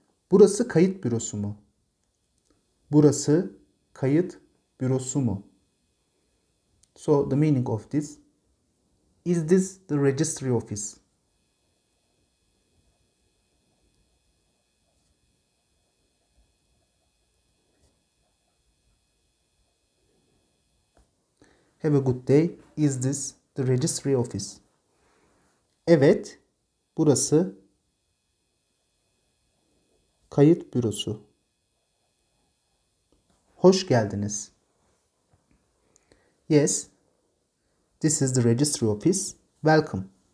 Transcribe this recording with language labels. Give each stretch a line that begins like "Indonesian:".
Turkish: Burası kayıt bürosu mu? Burası kayıt bürosu mu?
English: So the meaning of this: is this the registry office? Have a good day. Is this the registry office?
Turkish: Evet, burası kayıt bürosu. Hoş geldiniz.
English: Yes, this is the registry office. Welcome.